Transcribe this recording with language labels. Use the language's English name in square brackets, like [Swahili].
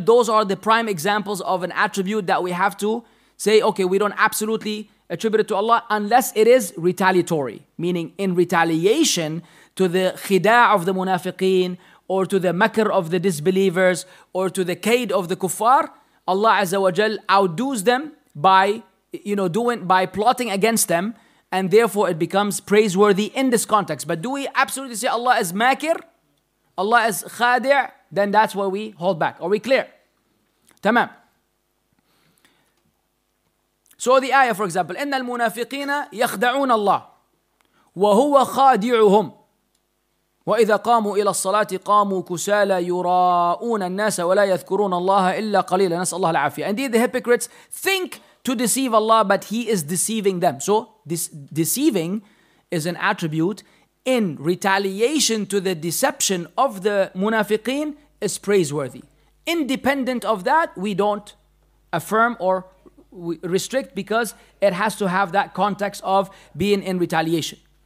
[English] Those are the prime examples of an attribute that we have to say, okay, we don't absolutely attribute it to Allah unless it is retaliatory, meaning in retaliation to the khida' of the munafiqeen, or to the makr of the disbelievers, or to the kaid of the kuffar, Allah Azza wa Jal outdoes them by, you know, by plotting against them, and therefore it becomes praiseworthy in this context. But do we absolutely say Allah is makir, Allah is khadi'? Then that's where we hold back. Are we clear? Tamam. [Arabic] So the ayah, for example, إِنَّ الْمُنَافِقِينَ يَخْدَعُونَ اللَّهِ وَهُوَ خَادِعُهُمْ وَإِذَا قَامُوا إِلَى الصَّلَاةِ قَامُوا كُسَالَ يُرَاءُونَ النَّاسَ وَلَا يَذْكُرُونَ اللَّهَ إِلَّا قَلِيلًا. نَسَى اللَّهَ الْعَافِيَةِ. [English] Indeed, the hypocrites think to deceive Allah, but He is deceiving them. So this deceiving is an attribute in retaliation to the deception of the munafiqeen is praiseworthy. Independent of that, we don't affirm or restrict, because it has to have that context of being in retaliation.